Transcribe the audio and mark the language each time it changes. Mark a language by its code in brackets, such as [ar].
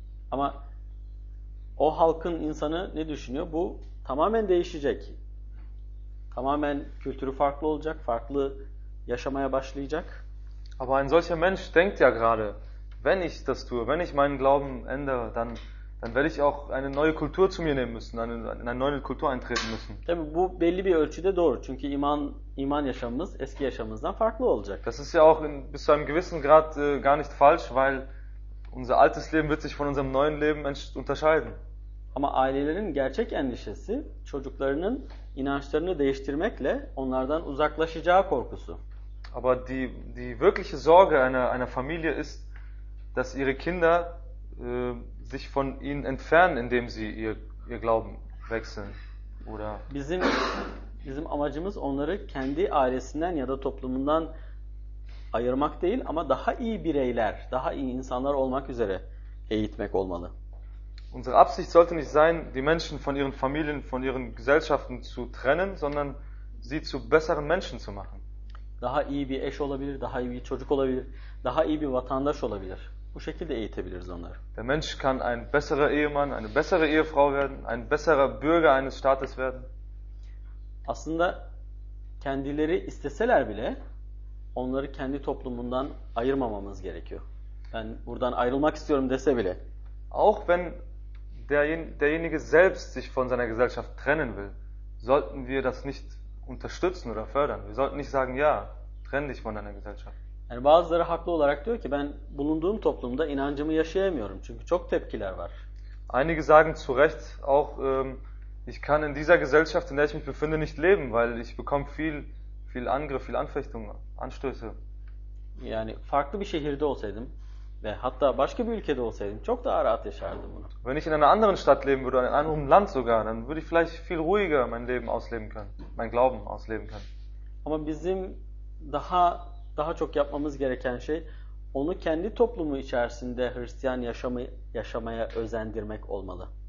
[tr] Ama o halkın insanı ne düşünüyor? Bu tamamen değişecek. Tamamen kültürü farklı olacak, farklı yaşamaya başlayacak. [de] Aber ein solcher Mensch denkt ja gerade, wenn ich das tue, wenn ich meinen Glauben ändere, dann werde ich auch eine neue Kultur zu mir nehmen müssen, eine neue Kultur eintreten müssen. [tr] Tabi bu belli bir ölçüde doğru. Çünkü iman yaşamımız eski yaşamımızdan farklı olacak. [de] Das ist ja auch bis zu einem gewissen Grad gar nicht falsch, weil unser altes Leben wird sich von unserem neuen Leben unterscheiden. [tr] Ama ailelerin gerçek endişesi çocuklarının inançlarını değiştirmekle onlardan uzaklaşacağı korkusu. [de] Aber die wirkliche Sorge einer Familie ist, dass ihre Kinder sich von ihnen entfernen, indem sie ihr Glauben wechseln oder [tr] bizim amacımız onları kendi ailesinden ya da toplumundan ayırmak değil ama daha iyi bireyler, daha iyi insanlar olmak üzere eğitmek olmalı. [de] Unsere Absicht sollte nicht sein, die Menschen von ihren Familien, von ihren Gesellschaften zu trennen, sondern sie zu besseren Menschen zu machen. [tr] Daha iyi bir eş olabilir, daha iyi bir çocuk olabilir, daha iyi bir vatandaş olabilir. Bu şekilde eğitebiliriz onları. [de] Der Mensch kann ein besserer Ehemann, eine bessere Ehefrau werden, ein besserer Bürger eines Staates werden. [tr] Aslında kendileri isteseler bile onları kendi toplumundan ayırmamamız gerekiyor. Ben buradan ayrılmak istiyorum dese bile. [de] Auch wenn derjenige selbst sich von seiner Gesellschaft trennen will, sollten wir das nicht unterstützen oder fördern. Wir sollten nicht sagen, ja, trenn dich von deiner Gesellschaft. [tr] Yani bazıları haklı olarak diyor ki ben bulunduğum toplumda inancımı yaşayamıyorum çünkü çok tepkiler var. [de] Einige sagen zu Recht auch ich kann in dieser Gesellschaft, in der ich mich befinde, nicht leben, weil ich bekomme viel Angriff, viel Anfechtung, Anstöße. [tr] Yani farklı bir şehirde olsaydım ve hatta başka bir ülkede olsaydım çok daha rahat yaşardım bunu. [de] Wenn ich in einer anderen Stadt leben würde, in einem Land sogar, dann würde ich vielleicht viel ruhiger mein Leben ausleben können, mein Glauben ausleben können. [tr] Ama bizim daha çok yapmamız gereken şey onu kendi toplumu içerisinde Hristiyan yaşamaya özendirmek olmalı.